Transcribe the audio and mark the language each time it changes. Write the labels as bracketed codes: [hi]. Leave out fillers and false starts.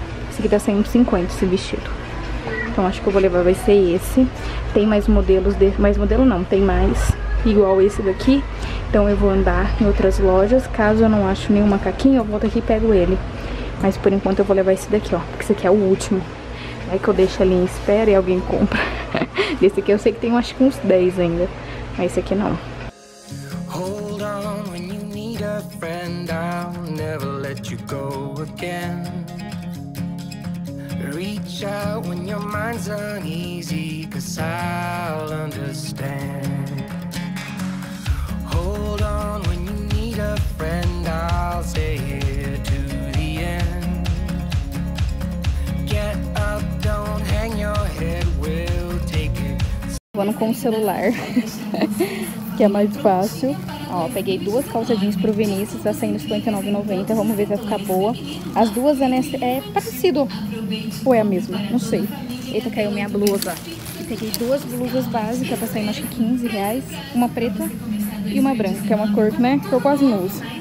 [pt] Esse aqui tá saindo 50, esse vestido. Então acho que eu vou levar, vai ser esse. Tem mais modelos de... Mais modelo não, tem mais igual esse daqui. Então eu vou andar em outras lojas. Caso eu não ache nenhum macaquinho, eu volto aqui e pego ele. Mas por enquanto eu vou levar esse daqui, ó, porque esse aqui é o último. Vai que eu deixo ali em espera e alguém compra. Esse aqui eu sei que tem, acho que uns 10 ainda, mas esse aqui não. [en] Hold on when you need a friend, I'll never let you go again. Reach out when your mind's uneasy, cause I'll understand. Hold on when you need a friend, I'll stay here to the end. Get up, don't hang your head, we'll take it. [pt] Vamos com o celular, que é mais fácil. Ó, peguei duas calças jeans pro Vinícius, tá saindo R$59,90, vamos ver se vai ficar boa. As duas é parecido, ou é a mesma, não sei. Eita, caiu minha blusa. Peguei duas blusas básicas, tá saindo acho que R$15, uma preta e uma branca, que é uma cor, né, que eu quase não uso.